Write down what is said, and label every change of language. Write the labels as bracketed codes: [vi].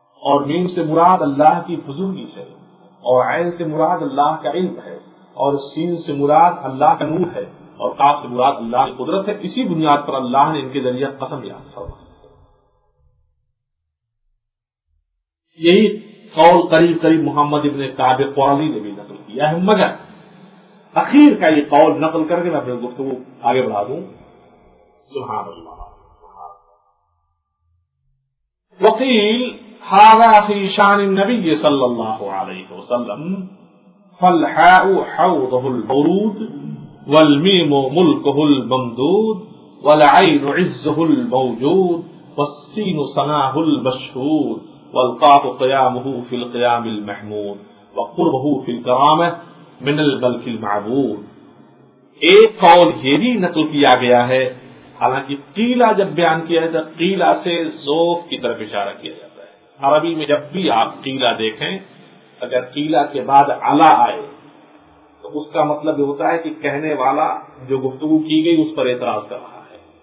[ur] اور میم سے مراد اللہ کی بزرگی ہے اور عین سے مراد اللہ کا علم ہے اور سین سے مراد اللہ کا نور ہے اور قاف سے مراد اللہ کی قدرت ہے اسی بنیاد پر اللہ نے ان کے ذریعے قسم یاد فرمائی یہی قول قریب قریب محمد ابن کعب قرآنی نے بھی نقل کیا ہے مگر اخیر کا یہ قول نقل کر کے میں اپنے گفتگو آگے بڑھا دوں سبحان اللہ [ar] وقیل ھذا فی شان النبی صلی اللہ علیہ وسلم فالحاء حوضه البرود، والميم ملكه الممدود، والعين عزه الموجود، والسين صناه المشهود، والقاف قيامه في القيام المحمود، وقربه في الكرامة من الملك المعبود. [ur] ایک قول یہ بھی نقل کیا گیا ہے، حالانکہ قیلہ جب بیان کیا ہے تو قیلہ سے زوف کی طرف اشارہ کیا جاتا ہے. عربی میں جب بھی آپ قیلہ دیکھیں، اگر قیلہ کے بعد علا آئے تو اس کا مطلب یہ ہوتا ہے کہ کہنے والا جو گفتگو کی گئی اس پر اعتراض کر رہا ہے.